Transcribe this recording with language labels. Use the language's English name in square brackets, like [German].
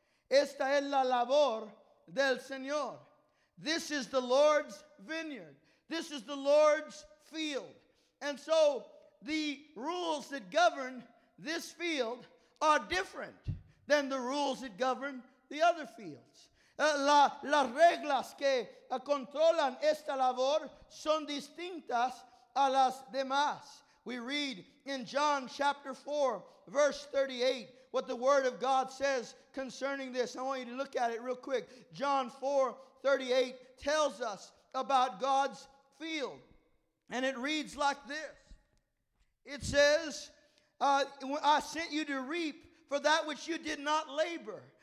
[Spanish] Esta es la labor del Señor. [English] This is the Lord's vineyard. This is the Lord's field. And so the rules that govern this field are different than the rules that govern the other fields. [Spanish] Las reglas que controlan esta labor son distintas a las demás. [English] We read in John chapter 4, verse 38, what the word of God says concerning this. I want you to look at it real quick. John 4:38 tells us about God's field. And it reads like this. It says, I sent you to reap for that which you did not labor.